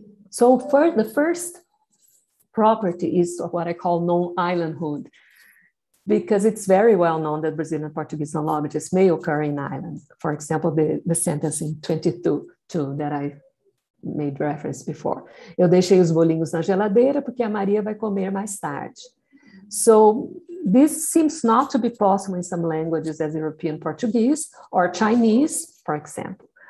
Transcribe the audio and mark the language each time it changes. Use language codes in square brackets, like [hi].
[en] So for the first property is what I call non-islandhood, because it's very well known that Brazilian Portuguese null objects may occur in islands. For example, the sentence in 22 that I made reference before. [pt] Eu deixei os bolinhos na geladeira porque a Maria vai comer mais tarde. [en] So this seems not to be possible in some languages as European Portuguese or Chinese, for example.